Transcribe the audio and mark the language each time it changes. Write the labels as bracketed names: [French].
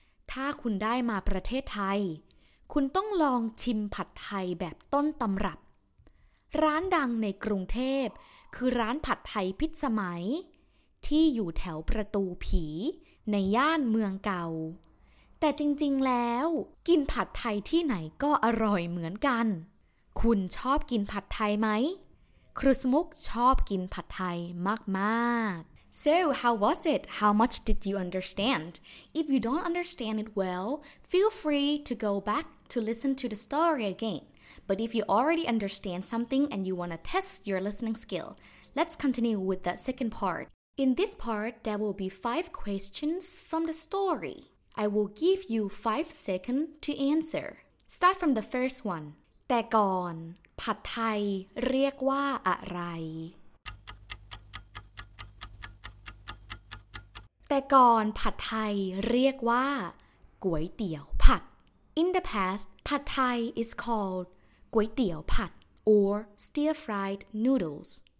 [Thai] ถ้าคุณได้มาประเทศไทยคุณต้องลองชิมผัดไทยแบบต้นตำรับร้านดังในกรุงเทพคือร้านผัดไทยพิสมัยที่อยู่แถวประตูผีในย่านเมืองเก่าแต่จริงๆแล้วกินผัดไทยที่ไหนก็อร่อยเหมือนกันคุณชอบกินผัดไทยไหมครูสมุกชอบกินผัดไทยมาก [English] ๆ So how was it? How much did you understand? If you don't understand it well, feel free to go back to listen to the story again. But if you already understand something and you want to test your listening skill, let's continue with the second part. In this part, there will be 5 questions from the story. I will give you 5 seconds to answer. Start from the first one. [Thai] แต่ก่อนผัดไทยเรียกว่าอะไรแต่ก่อนผัดไทยเรียกว่าก๋วยเตี๋ยวผัด [English] In the past, ผัดไทย is called ก๋วยเตี๋ยวผัด or stir-fried noodles.